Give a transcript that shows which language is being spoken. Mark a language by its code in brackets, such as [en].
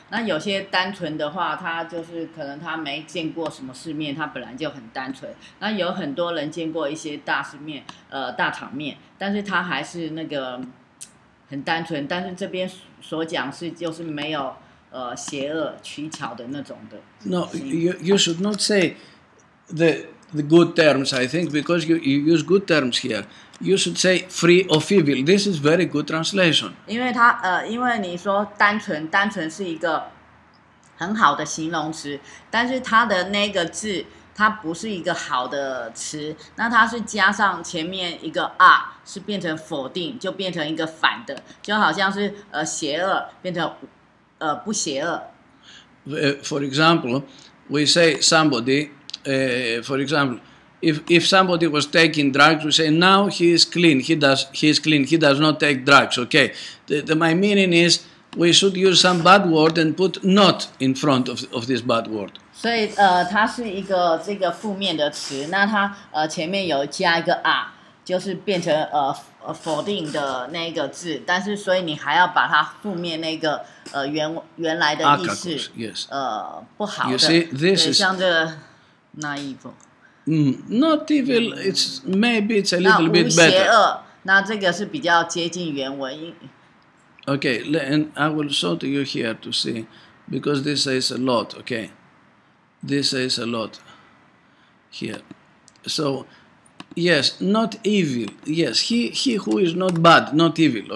[zh] 那有些单纯的话，他就是可能他没见过什么世面，他本来就很单纯。那有很多人见过一些大世面，大场面，但是他还是那个很单纯。但是这边所讲是就是没有。邪恶取巧的那种的。 [en] No, you should not say the good terms. I think because you use good terms here, you should say free of evil. This is very good translation. [zh] 因为他因为你说单纯是一个很好的形容词，但是他的那个字它不是一个好的词，那它是加上前面一个 r， 是变成否定，就变成一个反的，就好像是邪恶变成。不邪恶。 [en] For example, we say somebody. For example, if somebody was taking drugs, we say now he is clean. He is clean. He does not take drugs. Okay. The my meaning is we should use some bad word and put not in front of this bad word. [zh] 所以它是一个这个负面的词。那它前面有加一个 r， 就是变成否定的那个字，但是所以你还要把它负面那个原来的意思， [en] akakos, yes. [zh] 不好的， [en] you see, this [zh] 对， [en] is... [zh] 像这个 naive， [en] not evil， it's maybe it's a little bit better。 [zh] 那无邪恶，那这个是比较接近原文。 [en] Okay, and I will show to you here to see, because this says a lot. Okay, this says a lot here, so. Yes, not evil. Yes, he who is not bad, not evil.